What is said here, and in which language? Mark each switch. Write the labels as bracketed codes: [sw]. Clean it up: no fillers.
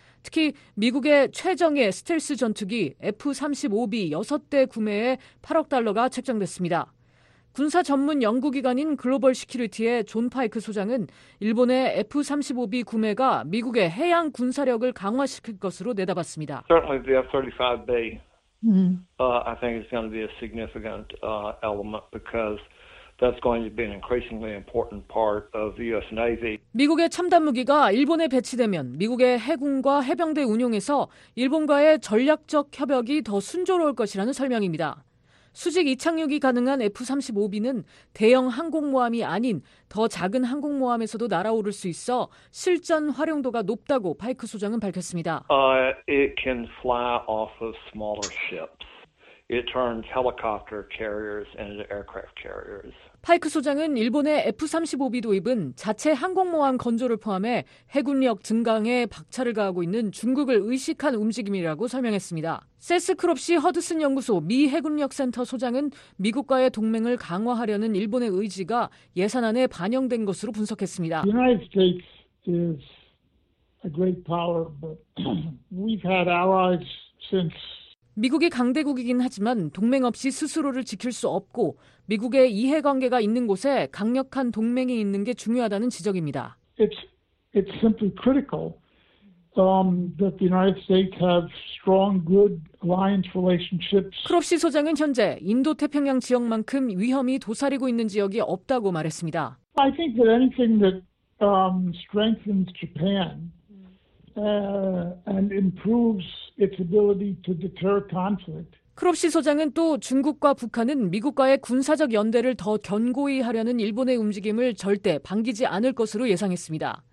[ko] 특히 미국의 최정예 스텔스 전투기 F-35B 6대 구매에 8억 달러가 책정됐습니다. 군사 전문 연구기관인 글로벌 시큐리티의 존 파이크 소장은 일본의 F-35B 구매가 미국의 해양 군사력을 강화시킬 것으로 내다봤습니다. [en] Certainly the F-35B, I think it's going to be a significant element because that's going to be an increasingly important part of the U.S. Navy. [ko] 미국의 첨단 무기가 일본에 배치되면 미국의 해군과 해병대 운용에서 일본과의 전략적 협력이 더 순조로울 것이라는 설명입니다. 수직 이착륙이 가능한 F-35B는 대형 항공모함이 아닌 더 작은 항공모함에서도 날아오를 수 있어 실전 활용도가 높다고 파이크 소장은 밝혔습니다. [en] It can fly off of smaller ships. It turns helicopter carriers into aircraft carriers. [ko] 파이크 소장은 일본의 F-35B 도입은 자체 항공모함 건조를 포함해 해군력 증강에 박차를 가하고 있는 중국을 의식한 움직임이라고 설명했습니다. 세스 크롭시 허드슨 연구소 미 해군력센터 소장은 미국과의 동맹을 강화하려는 일본의 의지가 예산안에 반영된 것으로 분석했습니다. [en] The United States is a great power, but we've had allies since [ko] 미국이 강대국이긴 하지만 동맹 없이 스스로를 지킬 수 없고 미국의 이해관계가 있는 곳에 강력한 동맹이 있는 게 중요하다는 지적입니다. [en] It's simply critical that the United States have strong, good alliance relationships. [ko] 크롭시 소장은 현재 인도태평양 지역만큼 위험이 도사리고 있는 지역이 없다고 말했습니다. [en] I think that anything that strengthens Japan and improves its ability to deter conflict. [ko] 크롭시 소장은 또 중국과 북한은 미국과의 군사적 연대를 더 견고히 하려는 일본의 움직임을 절대 반기지 않을 것으로 예상했습니다.